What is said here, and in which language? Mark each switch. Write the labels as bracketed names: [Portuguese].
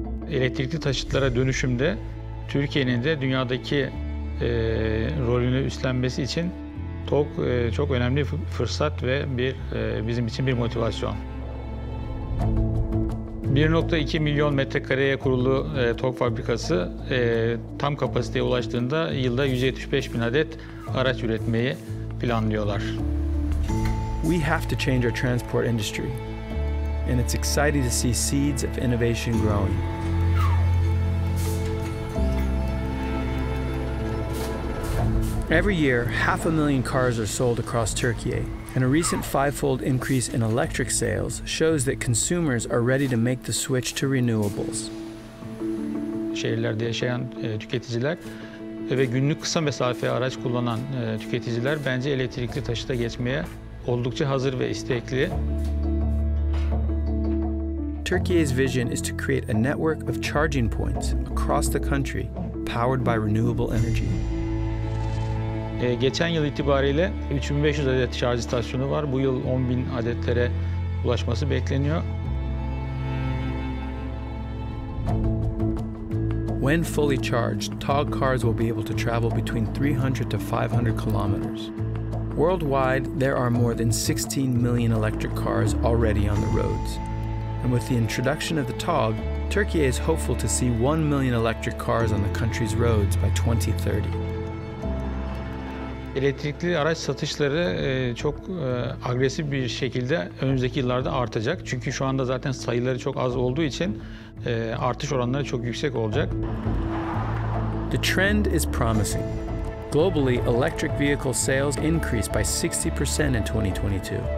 [Turkish] Elektrikli taşıtlara dönüşümde Türkiye'nin de dünyadaki rolünü üstlenmesi için TOG çok önemli fırsat ve bizim için bir motivasyon. 1.2 milyon metrekareye kurulu TOG fabrikası tam kapasiteye ulaştığında yılda 175 bin adet araç üretmeyi planlıyorlar. [English] We have to change our transport industry. And it's exciting to see seeds of innovation growing. Every year, 500,000 cars are sold across Turkey, and a recent 5-fold increase in electric sales shows that consumers are ready to make the switch to renewables. [Turkish] Şehirlerde yaşayan tüketiciler ve günlük kısa mesafe araç kullanan tüketiciler bence elektrikli taşıta geçmeye oldukça hazır ve istekli. [English] Türkiye's vision is to create a network of charging points across the country powered by renewable energy. [Turkish] Geçen yıl itibariyle 3500 adet şarj istasyonu var. Bu yıl 10.000 adetlere ulaşması bekleniyor. [English] When fully charged, TOG cars will be able to travel between 300 to 500 kilometers. Worldwide, there are more than 16 million electric cars already on the roads. And with the introduction of the TOG, Turkey is hopeful to see 1 million electric cars on the country's roads by 2030. [Turkish] Elektrikli araç satışları çok agresif bir şekilde önümüzdeki yıllarda artacak. Çünkü şu anda zaten sayıları çok az olduğu için artış oranları çok yüksek olacak. [English] The trend is promising. Globally, electric vehicle sales increased by 60% in 2022.